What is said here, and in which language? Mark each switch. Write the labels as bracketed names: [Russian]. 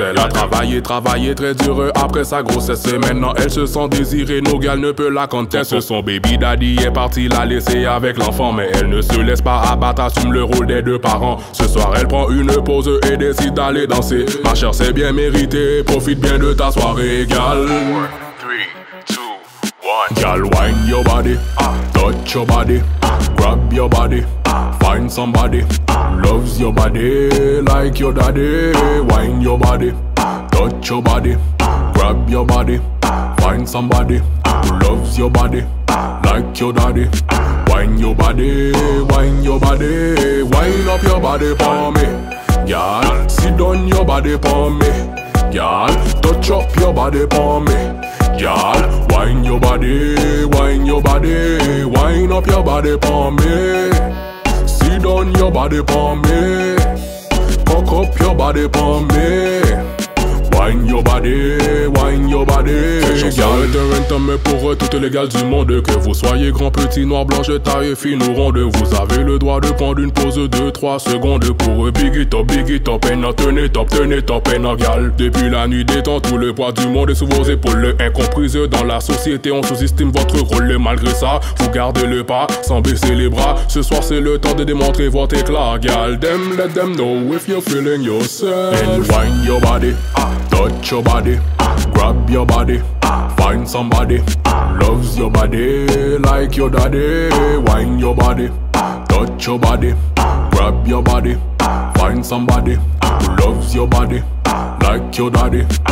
[French] Elle a travaillé, travaillé très dur après sa grossesse. Et maintenant elle se sent désirée, nos gals ne peut la contester. Son baby daddy est parti la laisser avec l'enfant. Mais elle ne se laisse pas abattre, assume le rôle des deux parents. Ce soir elle prend une pause et décide d'aller danser. Ma chère, c'est bien mérité, profite bien de ta soirée, gal. [English] Girl, wind your body, touch your body, grab your body, find somebody loves your body like your daddy. Wind your body, touch your body, grab your body, find somebody loves your body like your daddy. Wind your body, wind your body, wind up your body for me, girl. Sit down your body for me, girl. Touch up your body for me, girl. Wind your body, wind your body, wind up your body for me. Sit down your body for me, cock up your body for me. Wind your body, wind your body. [French] Cette chanson est un anthem pour toutes les gales du monde. Que vous soyez grand, petit, noir, blanche, taille, fine ou ronde, vous avez le droit de prendre une pause de 3 secondes pour [English] big it up, [French] et non, tenez top, et non, gal. Depuis la nuit des temps, tout le poids du monde est sous vos épaules. Incomprise dans la société, on sous-estime votre rôle. Malgré ça, vous gardez le pas, sans baisser les bras. Ce soir, c'est le temps de démontrer votre éclat, gal. [English] Them, let them know if you're feeling yourself. And wind your body. Touch your body, grab your body, find somebody loves your body like your daddy. Wind your body, touch your body, grab your body, find somebody loves your body like your daddy.